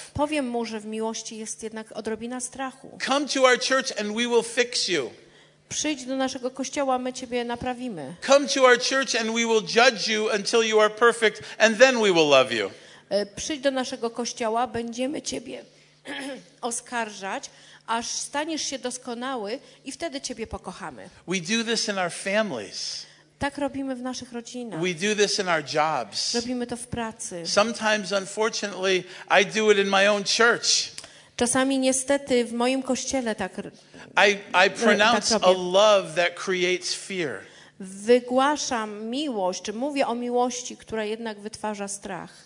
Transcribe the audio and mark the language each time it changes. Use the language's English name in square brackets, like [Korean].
[Polish] Powiem mu, że w miłości jest jednak odrobina strachu. [English] Come to our church and we will fix you. [Polish] Przyjdź do naszego kościoła, my ciebie naprawimy. [English] Come to our church and we will judge you until you are perfect and then we will love you. [Polish] Przyjdź do naszego kościoła, będziemy ciebie oskarżać, aż staniesz się doskonały i wtedy ciebie pokochamy. [English] We do this in our families. [Polish] Tak robimy w naszych rodzinach. [English] We do this in our jobs. [Polish] Robimy to w pracy. [English] Sometimes, unfortunately, I do it in my own church. [Polish] Czasami niestety w moim kościele tak [English] I pronounce [Polish] tak [English] a love that creates fear. [Polish] Wygłaszam miłość, czy mówię o miłości, która jednak wytwarza strach.